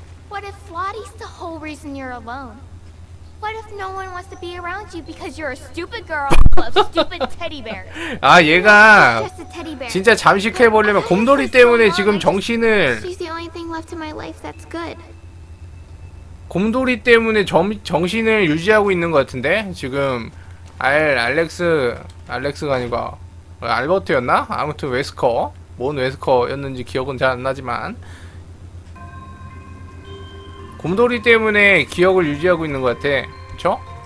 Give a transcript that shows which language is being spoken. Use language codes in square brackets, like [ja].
[en] What if Lottie's the whole reason you're alone? What if no one wants to be around you because you're a stupid girl of stupid teddy bear? [ko] 아, 얘가 진짜 잠식해 보려면 곰돌이 때문에 지금 정신을 [en] She's the only thing left in my life that's good. [ko] 곰돌이 때문에 정신을 유지하고 있는 것 같은데 지금 알렉스가 아니고 알버트였나? 아무튼 웨스커 뭔 웨스커였는지 기억은 잘 안 나지만 곰돌이 때문에 기억을 유지하고 있는 것 같아 그쵸?